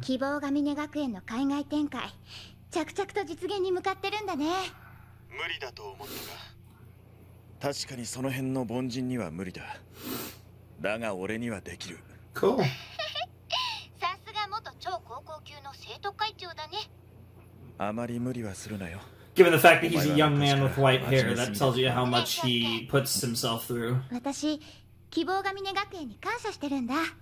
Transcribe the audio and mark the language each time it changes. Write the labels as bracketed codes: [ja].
[ja] 希望ヶ峰学園の海外展開、着々と実現に向かってるんだね。無理だと思ったが、確かにその辺の凡人には無理だ。だが俺にはできる。 [en] Cool. [ja] さすが元超高校級の生徒会長だね。あまり無理はするなよ。 [en] Given the fact that he's a young man with white hair, that tells you how much he puts himself through. [ja] 私希望ヶ峰学園に感謝してるんだ。